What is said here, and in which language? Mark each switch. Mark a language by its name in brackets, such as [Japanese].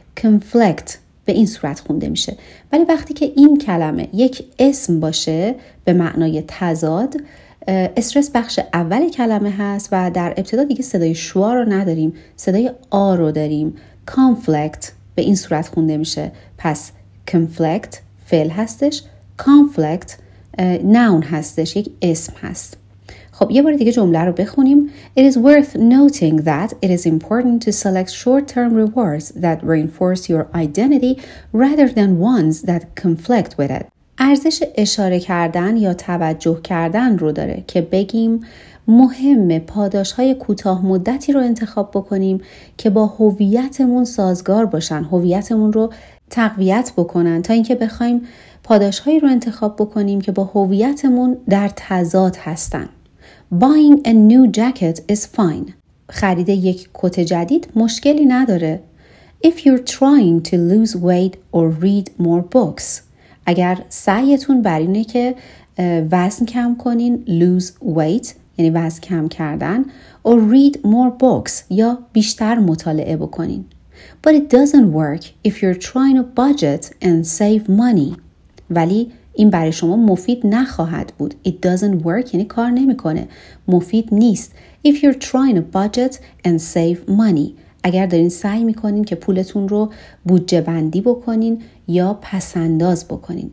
[Persian] Conflict به این صورت خونده میشه. ولی وقتی که این کلمه یک اسم باشه به معنای تضاد، استرس بخش اول کلمه هست و در ابتدا دیگه صدای شوا رو نداریم، صدای آ رو داریم. Conflict به این صورت خونده میشه. پس conflict فعل هستش، conflict noun هستش، یک اسم هست. خب یه بار دیگه جمله رو بخونیم. [English] It is worth noting that it is important to select short-term rewards that reinforce your identity rather than ones that conflict with it. [Persian] ارزش اشاره کردن یا توجه کردن رو داره که بگیم مهمه پاداش‌های کوتاه مدتی رو انتخاب بکنیم که با هویتمون سازگار باشن، هویتمون رو تقویت بکنن، تا اینکه بخوایم پاداش‌هایی رو انتخاب بکنیم که با هویتمون در تضاد هستن. [English] Buying a new jacket is fine. [Persian] خرید یک کت جدید مشکلی نداره. [English] If you're trying to lose weight or read more books. [Persian] اگر سعیتون بر اینه که وزن کم کنین، [English] lose weight [Persian] یعنی وزن کم کردن، [English] or read more books [Persian] یا بیشتر مطالعه بکنین. [English] But it doesn't work if you're trying to budget and save money. [Persian] ولی این برای شما مفید نخواهد بود. [English] It doesn't work [Persian] یعنی کار نمیکنه، مفید نیست. [English] If you're trying to budget and save money [Persian] اگر دارین سعی میکنین که پولتون رو بودجه بندی بکنین یا پسنداز بکنین.